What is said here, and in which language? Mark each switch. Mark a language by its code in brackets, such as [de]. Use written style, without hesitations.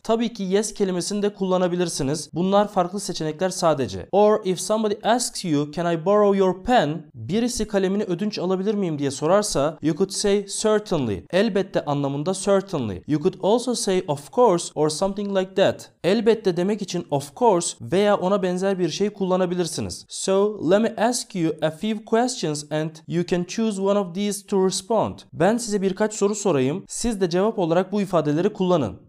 [tr] Tabii ki yes kelimesini de kullanabilirsiniz. Bunlar farklı seçenekler sadece. [en] Or if somebody asks you, can I borrow your pen? [tr] Birisi kalemini ödünç alabilir miyim diye sorarsa, [en] you could say certainly, [tr] elbette anlamında [en] certainly. You could also say of course or something like that. [tr] Elbette demek için [en] of course [tr] veya ona benzer bir şey kullanabilirsiniz. [en] So, let me ask you a few questions and you can choose one of these to respond. [tr] Ben size birkaç soru sorayım, siz de cevap olarak bu ifadeleri kullanın.